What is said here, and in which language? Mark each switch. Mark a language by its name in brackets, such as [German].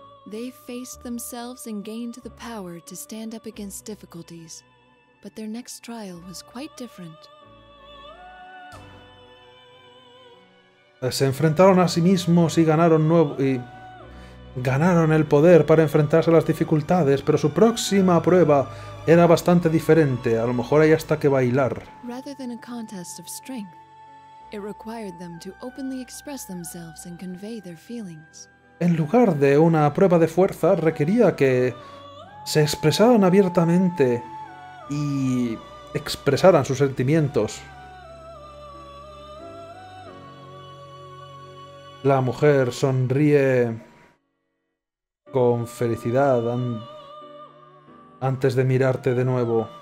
[English] They faced themselves and gained the power to stand up against difficulties, but their next trial was quite different. [Spanish] Se enfrentaron a sí mismos y ganaron el poder para enfrentarse a las dificultades, pero su próxima prueba era bastante diferente. A lo mejor hay hasta que bailar. [English] Rather than a contest of strength, it required them to openly express themselves and convey their feelings. [Spanish] En lugar de una prueba de fuerza, requería que se expresaran abiertamente y expresaran sus sentimientos. La mujer sonríe con felicidad antes de mirarte de nuevo.